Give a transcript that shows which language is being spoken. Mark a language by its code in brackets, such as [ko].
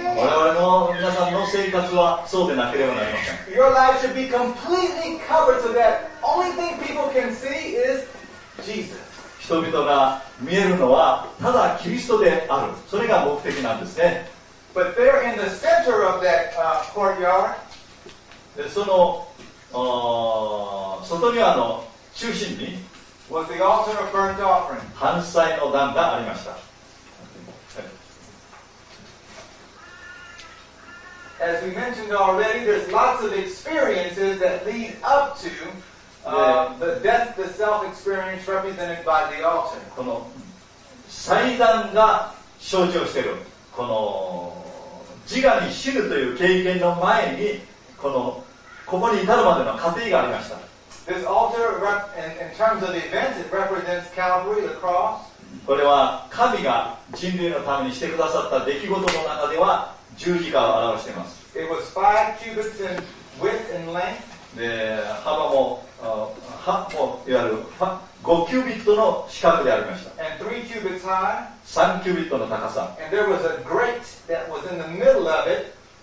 [ja] 我々の皆さんの生活はそうでなければなりません。 [en] Your life should be completely covered so that only thing people can see is Jesus. [ja] 人々が見えるのはただキリストである。それが目的なんですね。 [en] But there in the center of that courtyard, [ja] でその外庭の中心に [en] was the altar of burnt offering. [ja] 燔祭の壇がありました。 [en] As we mentioned already, there's lots of experiences that lead up to the death, the self-experience represented by the altar. [ja] この祭壇が象徴しているこの自我に死ぬという経験の前にこのここに至るまでの過程がありました。 [en] This altar, in terms of the events, it represents Calvary, the cross. [ja] これは神が人類のためにしてくださった出来事の中では十字架を表しています。 [en] It was 5 cubits in width and length. [ja] で、幅も、もいわゆる5キュビットの四角でありました。 [en] And 3 cubits high. [ja] 3キュビットの高さ。 [en] And there was a grate that was in the middle of it.